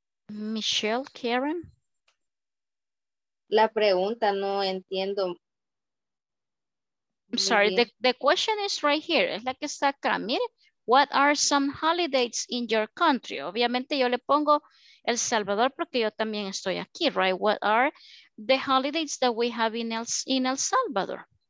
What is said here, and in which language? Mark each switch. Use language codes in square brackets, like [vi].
[en] Michelle, Karen? [es] La pregunta, no entiendo. [en] I'm sorry, the question is right here. [es] Es la que está acá. [en] Mire, what are some holidays in your country? [es] Obviamente yo le pongo El Salvador porque yo también estoy aquí, right? [en] What are the holidays that we have in El Salvador?